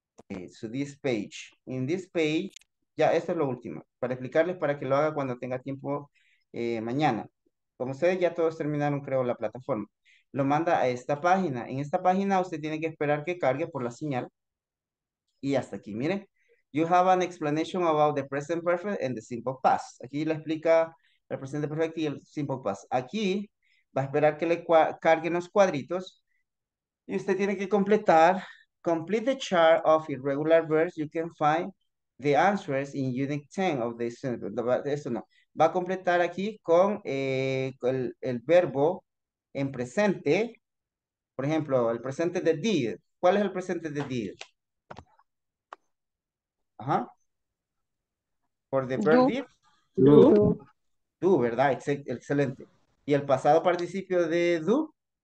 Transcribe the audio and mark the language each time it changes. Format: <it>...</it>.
<en>Okay, so this page. In this page,</en> <es>ya esto es lo último. Para explicarles para que lo haga cuando tenga tiempo mañana. Como ustedes ya todos terminaron, creo, la plataforma. Lo manda a esta página. En esta página usted tiene que esperar que cargue por la señal. Y hasta aquí, mire.</es> <en>You have an explanation about the present perfect and the simple past.</en> <es>Aquí le explica el presente perfecto y el simple past. Aquí va a esperar que le carguen los cuadritos. Y usted tiene que completar.</es> <en>Complete the chart of irregular verbs. You can find the answers in unit 10 of the sentence.</en> <es>Eso no. Va a completar aquí con el verbo. En presente, por ejemplo, el presente de did. ¿Cuál es el presente de did?</es> <en>Ajá. For the verb did. Do.</en> <es>Do, ¿verdad? Excelente. ¿Y el pasado participio de do?</es>